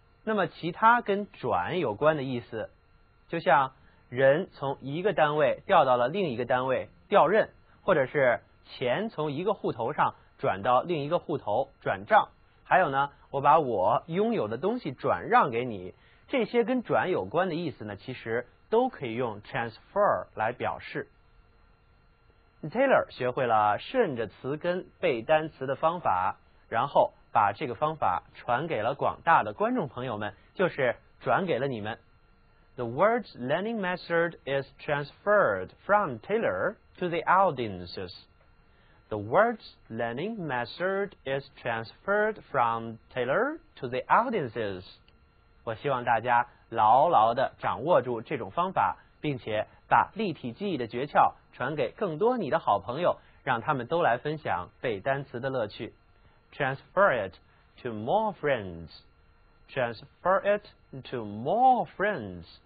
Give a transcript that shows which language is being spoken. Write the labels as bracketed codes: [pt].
[zh] 那么其他跟转有关的意思，就像人从一个单位调到了另一个单位调任，或者是钱从一个户头上转到另一个户头转账，还有呢，我把我拥有的东西转让给你，这些跟转有关的意思呢，其实都可以用 transfer 来表示。 Taylor 学会了顺着词根背单词的方法，然后把这个方法传给了广大的观众朋友们，就是转给了你们。 [en] The words learning method is transferred from Taylor to the audiences. The words learning method is transferred from Taylor to the audiences. [zh] 我希望大家牢牢地掌握住这种方法，并且把立体记忆的诀窍传给更多你的好朋友，让他们都来分享背单词的乐趣。 [en] Transfer it to more friends. Transfer it to more friends.